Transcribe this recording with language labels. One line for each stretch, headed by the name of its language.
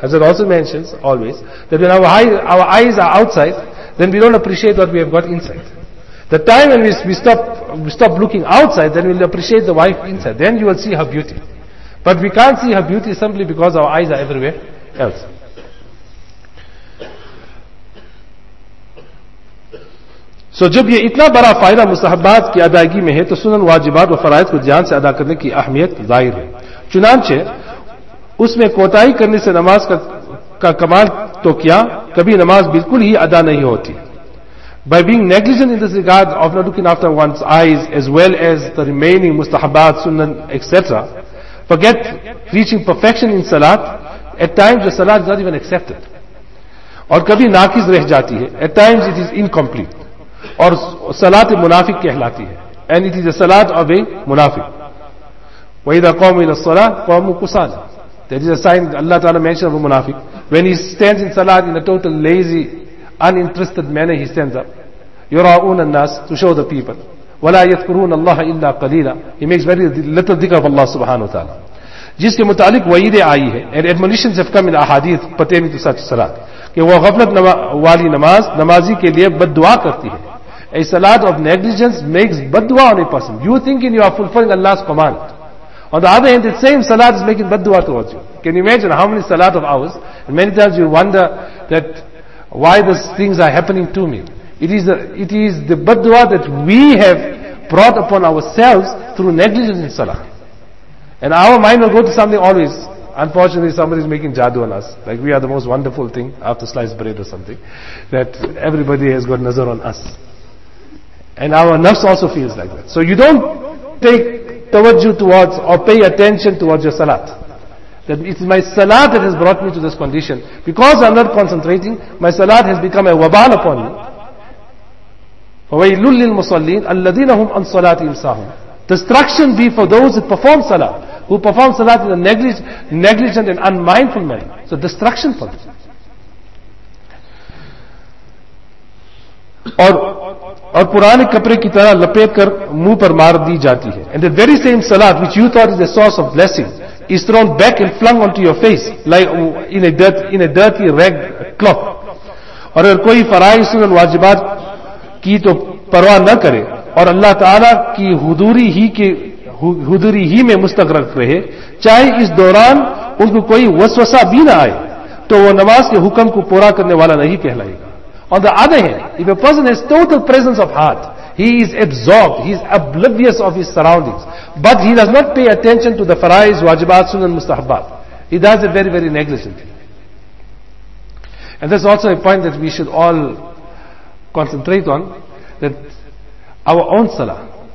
English: As it also mentions always, that when our eyes are outside, then we don't appreciate what we have got inside. The time when we stop looking outside, then we'll appreciate the wife inside. Then you will see her beauty. But we can't see her beauty simply because our eyes are everywhere else.
Urdu: So جب یہ اتنا بڑا فائدہ مصحبات کی ادائیگی میں ہے تو سنن واجبات و فرائض کو جان سے ادا کرنے کی اہمیت ظاہر ہے. چنانچہ اس میں کوتاہی کرنے سے نماز کا کمال تو کیا, کبھی نماز بالکل ہی ادا نہیں ہوتی.
English: By being negligent in this regard of not looking after one's eyes as well as the remaining mustahabat, sunnah, etc., forget reaching perfection in salat, at times the salat is not even accepted.
Urdu: Aur kabhi naqis reh jati hai,
English: at times it is incomplete.
Urdu: Aur salat munafiq kehlati hai,
English: and it is a salat of a munafiq.
Arabic: Wa idha qamu ila salat qamu kusala.
English: That is a sign Allah Ta'ala mentioned of a munafiq. When he stands in salat in a total lazy, uninterested manner, he stands up.
Arabic: يُرَاؤُونَ النَّاسِ
English: to show the people.
Arabic: وَلَا يَذْكُرُونَ اللَّهَ إِلَّا قَلِيلًا.
English: He makes very little dhikr of Allah subhanahu wa ta'ala.
Urdu: جس کے متعلق وعیدیں آئی ہیں,
English: and admonitions have come in ahadith pertaining to such salat,
Urdu: کہ وہ غفلت والی نماز نمازی کے لئے بدعا کرتی ہے.
English: A salat of negligence makes بدعا on a person. You thinking you are fulfilling Allah's command. On the other hand, the same salat is making بدعا towards you. Can you imagine how many salat of ours? And many times you wonder that why these things are happening to me. It is the baddua that we have brought upon ourselves through negligence in salah. And our mind will go to something always. Unfortunately, somebody is making jadu on us. Like we are the most wonderful thing after sliced bread or something. That everybody has got nazar on us. And our nafs also feels like that. So you don't take tawajjuh towards or pay attention towards your salat. That it's my salat that has brought me to this condition. Because I'm not concentrating, my salat has become a wabal upon me.
Arabic: فَوَيْلُ لِلْمُصَلِّينَ الَّذِينَ هُمْ عَنْ صَلَاتِهِمْ سَاهُونَ.
English: Destruction be for those that perform salat, who perform salat in a negligent and unmindful manner. So destruction for them.
Urdu: اور پرانے کپڑے کی طرح لپیٹ کر منہ پر مار دی جاتی ہے.
English: And the very same salad which you thought is a source of blessing is thrown back and filling on to your face like in a dirty rag cloth.
Urdu: اور اگر کوئی فرائض سنن واجبات کی تو پرواہ نہ کرے اور اللہ تعالی کی حضوری ہی میں مستغرق رہے, چاہے اس دوران اس کو کوئی وسوسہ بھی نہ آئے, تو وہ نماز کے حکم کو پورا کرنے والا نہیں کہلائے گا.
English: On the other hand, if a person has total presence of heart, he is absorbed, he is oblivious of his surroundings, but he does not pay attention to the faraiz, wajibat, sunan, mustahabat, he does it very, very negligently. And that's also a point that we should all concentrate on, that our own salah.